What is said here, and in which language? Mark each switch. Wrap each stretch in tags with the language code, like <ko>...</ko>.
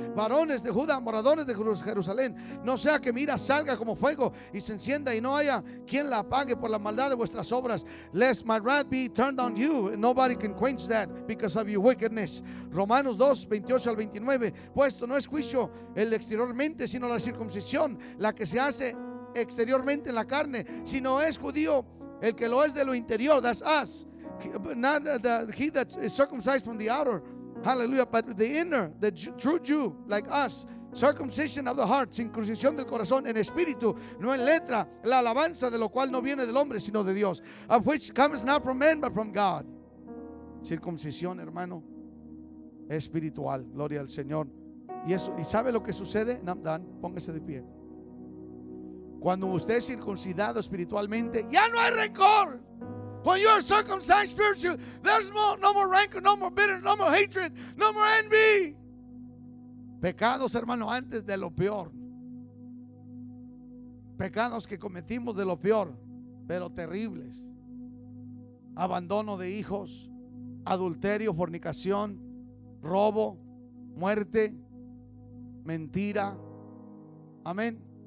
<es>Varones de Judá, moradores de Jerusalén, no sea que mi ira salga como fuego y se encienda y no haya quien la apague por la maldad de vuestras obras.</es> <en>Lest my wrath be turned on you, and nobody can quench that because of your wickedness.</en> <es>Romanos 2, 28 al 29. Puesto no es juicio el exteriormente, sino la circuncisión, la que se hace exteriormente en la carne, sino es judío el que lo es de lo interior.</es> <en>That's us. Not the, he that is circumcised from the outer, hallelujah, but the inner, the true Jew, like us, circumcision of the heart,</en> <es>circuncisión del corazón, en espíritu, no en letra, la alabanza de lo cual no viene del hombre, sino de Dios,</es> <en>of which comes not from men, but from God.</en> <es>Circuncisión, hermano, espiritual, gloria al Señor. Y eso, ¿y sabe lo que sucede? No, Dan, póngase de pie. Cuando usted es circuncidado espiritualmente, ya no hay rencor.</es> <en>When you are circumcised spiritually, there's no more rancor, no more bitterness, no more hatred, no more envy.</en> <es>Pecados, hermano, antes de lo peor. Pecados que cometimos de lo peor, pero terribles. Abandono de hijos, adulterio, fornicación, robo, muerte, mentira. Amén.</es>